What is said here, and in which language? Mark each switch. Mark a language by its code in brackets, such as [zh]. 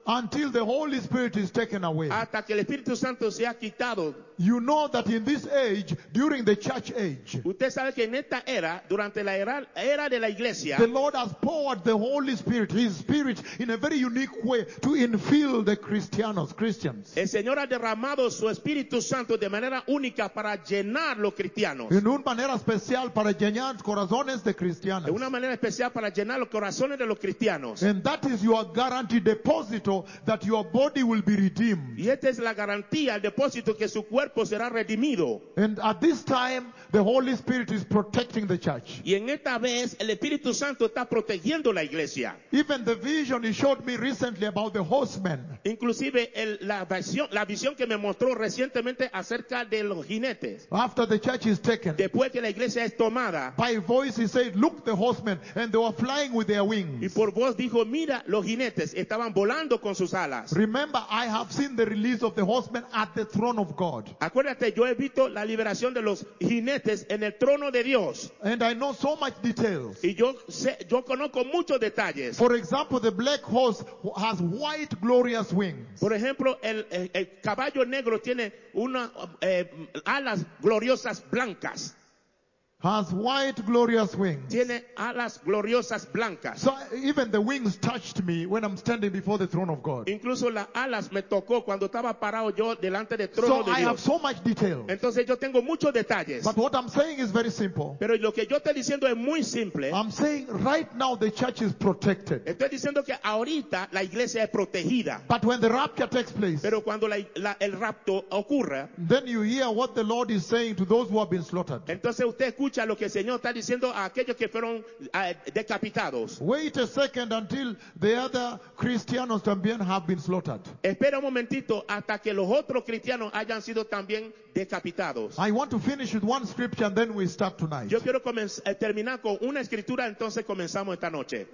[en] Until the Holy Spirit is taken away. [es] Hasta que el Espíritu Santo sea quitado. [en] You know that in this age, during the church age, [es] usted sabe que en esta era, durante la era de la iglesia, [en] the Lord has poured the Holy Spirit, His Spirit, in a very unique way to infill the Christians. [es] El Señor ha derramado su Espíritu Santo de manera única para llenar los cristianos. En una manera especial para llenar corazones de cristianos. De una manera especial para llenar los corazones de los cristianos. [en] And that is your guaranteed deposit that your body will be redeemed. [es] Y esta es la garantía, el depósito que su cuerpo será redimido. [en] And at this time, the Holy Spirit is protecting the church. [es] Y en esta vez, el Espíritu Santo está protegiendo la iglesia. [en] Even the vision he showed me recently about the horsemen. [es] Inclusive la visión que me mostró recientemente acerca de los jinetes. [en] After the church is taken. [es] Después que la iglesia es tomada. [en] By voice he said, look the horsemen, and they were flying with their wings. [es] Y por voz dijo, mira los jinetes, estaban volando con sus alas. [en] Remember, I have seen the release of the horsemen at the throne of God. [es] Acuérdate, yo he visto la liberación de los jinetes en el trono de Dios. [en] And I know so much details. [es] Y yo conozco muchos detalles. [en] For example, the black horse has white glorious wings. [es] Por ejemplo, el caballo negro tiene unas alas gloriosas blancas. [en] has white glorious wings. [es] Tiene alas gloriosas blancas. [en] So even the wings touched me when I'm standing before the throne of God. [es] Incluso las alas me tocó cuando estaba parado yo delante del trono de Dios. [en] I have so much detail. [es] Entonces yo tengo muchos detalles. [en] But what I'm saying is very simple. [es] Pero lo que yo estoy diciendo es muy simple. [en] I'm saying right now the church is protected. [es] Estoy diciendo que ahorita la iglesia es protegida. [en] But when the rapture takes place, [es] pero cuando el rapto ocurra, [en] then you hear what the Lord is saying to those who have been slaughtered. [es] Entonces usted escucha lo que el Señor está diciendo a aquellos que fueron decapitados. [en] Wait a second until the other [es] cristianos también [en] have been slaughtered. [es] Espera un momentito hasta que los otros cristianos hayan sido también decapitados. [en] I want to finish with one scripture and then we start tonight. [es] Yo quiero terminar con una escritura, entonces comenzamos esta noche.